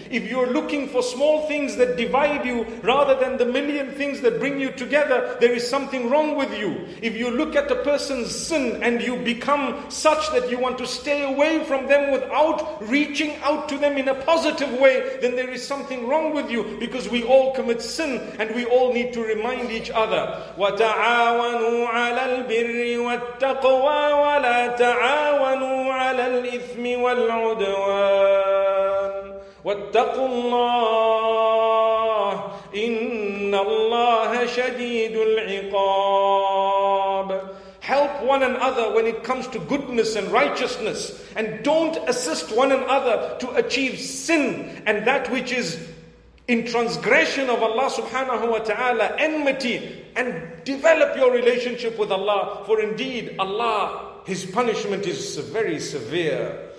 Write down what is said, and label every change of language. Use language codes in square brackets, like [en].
[en] If you are looking for small things that divide you rather than the million things that bring you together, there is something wrong with you. If you look at a person's sin and you become such that you want to stay away from them without reaching out to them in a positive way, then there is something wrong with you, because we all commit sin and we all need to remind each other. [ar] البر والتقوى ولا تعاونوا على الإثم والعدوان واتقوا الله إن الله شديد العقاب. [en] Help one another when it comes to goodness and righteousness, and don't assist one another to achieve sin and that which is in transgression of Allah subhanahu wa ta'ala, enmity, and develop your relationship with Allah. For indeed, Allah, His punishment is very severe.